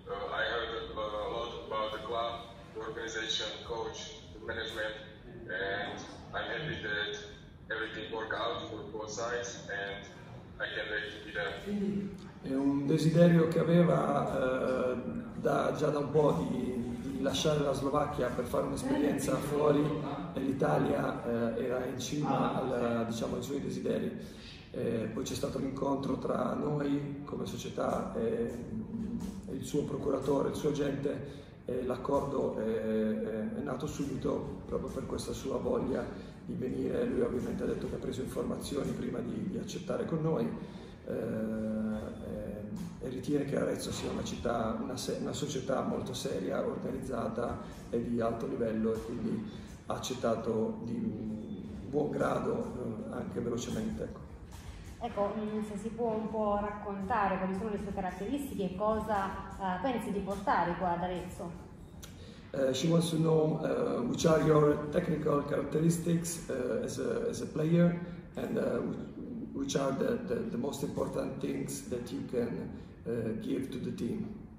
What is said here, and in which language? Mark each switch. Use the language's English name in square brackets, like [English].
[English] I heard a lot about the club, the organization, coach, the management. And I'm happy that everything worked out for both sides, and I can't wait to be there. [Italian] È un desiderio che aveva già da un po' di lasciare la Slovacchia per fare un'esperienza fuori, e l'Italia era in cima diciamo, ai suoi desideri. Poi c'è stato l'incontro tra noi come società e il suo procuratore, il suo agente. L'accordo è nato subito proprio per questa sua voglia di venire. Lui ovviamente ha detto che ha preso informazioni prima di accettare con noi e ritiene che Arezzo sia una società molto seria, organizzata e di alto livello e quindi ha accettato di buon grado anche velocemente. Ecco, se si può un po' raccontare quali sono le sue caratteristiche e cosa pensi di portare qua ad Arezzo? [English] She wants to know which are your technical characteristics as a player and which are the most important things that you can give to the team.